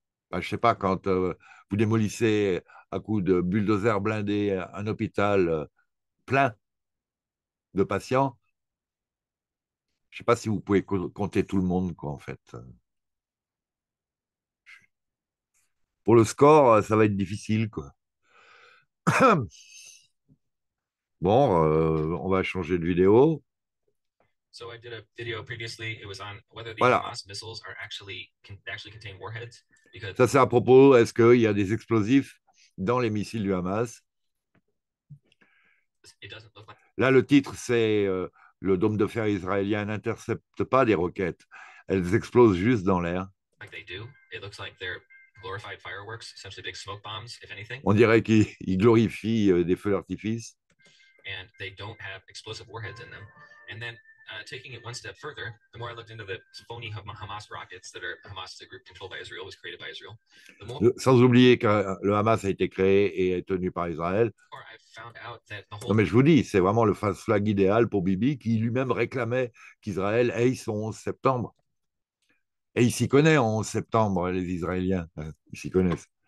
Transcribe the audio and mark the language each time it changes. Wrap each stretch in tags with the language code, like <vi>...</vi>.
<fr>Ben, je ne sais pas, quand vous démolissez à coups de bulldozer blindé un hôpital plein de patients, je ne sais pas si vous pouvez co compter tout le monde, quoi, en fait. Pour le score, ça va être difficile, quoi. Bon, on va changer de vidéo.</fr> <en>So I did a video previously. It was on whether the</en> <fr>Voilà.</fr> <en>Hamas missiles are actually can actually contain warheads because</en> <fr>Ça, c'est à propos, est-ce qu'il y a des explosifs dans les missiles du Hamas?</fr> <en>doesn't look like.</en> <fr>Là, le titre, c'est Le dôme de fer israélien n'intercepte pas des roquettes. Elles explosent juste dans l'air.</fr> <en>Like they do. It looks like they're glorified fireworks, essentially big smoke bombs, if anything.</en> <fr>On dirait qu'ils glorifient des feux d'artifice.</fr> <en>And they don't have explosive warheads in them. And then taking it one step further, the more I looked into the phony Hamas rockets that are Hamas, a group controlled by Israel, was created by Israel, the more</en> <fr>Sans oublier que le Hamas a été créé et est tenu par Israël.</fr> <en>I found out that the</en> <fr>Non,</fr> <en>whole</en> <fr>mais je vous dis, c'est vraiment le false flag idéal pour Bibi qui lui-même réclamait qu'Israël ait son 11 septembre. Et il s'y connaît en 11 septembre, les Israéliens. Ils s'y connaissent.</fr>